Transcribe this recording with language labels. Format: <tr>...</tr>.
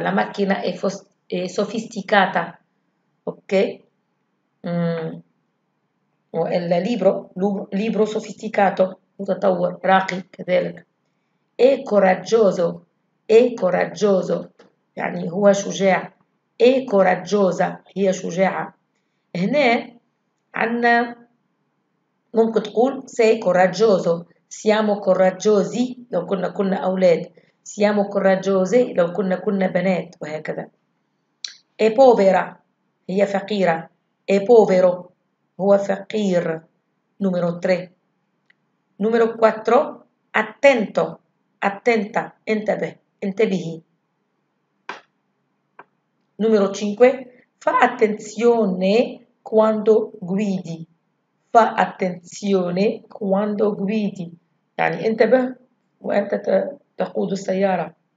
<it>La macchina è sofisticata. Ok? O il libro sofisticato,</it> <ar>mutatawwar, raqi, كذلك.</ar> <it>È coraggioso,</it> <ar>يعني هو شجاع.</ar> <it>È coraggiosa,</it> <ar>هي شجاعة. هنا عندنا ممكن تقول</ar> <it>sei coraggioso, siamo coraggiosi,</it> <ar>لو كنا أولاد.</ar> <it>Siamo coraggiosi,</it> <ar>لو كنا بنات, وهكذا.</ar> <it>È povera,</it> <ar>هي فقيرة.</ar> <it>È povero.</it> <ar>هو فقير.</ar> <it>Numero 3. Numero 4. Attento. Attenta.</it> <ar>انتبه.</ar> <it>Numero 5. Fa attenzione quando guidi. Fa attenzione quando guidi.</it> <ar>يعني انتبه وانت تقود السيارة.</ar>